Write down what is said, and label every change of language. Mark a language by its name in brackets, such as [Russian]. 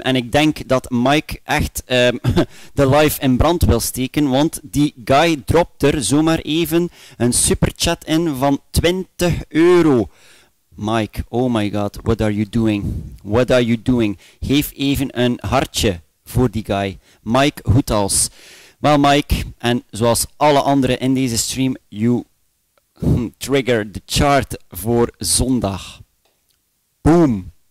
[Dutch] En ik denk dat Mike echt de live in brand wil steken. Want die guy dropt er zomaar even een superchat in van 20 euro. [English] Mike, oh my god, what are you doing? What are you doing? [Dutch] Geef even een hartje voor die guy. Mike Hoetals. Wel Mike, en zoals alle anderen in deze stream, [English] you trigger the chart [Dutch] voor zondag. Boom.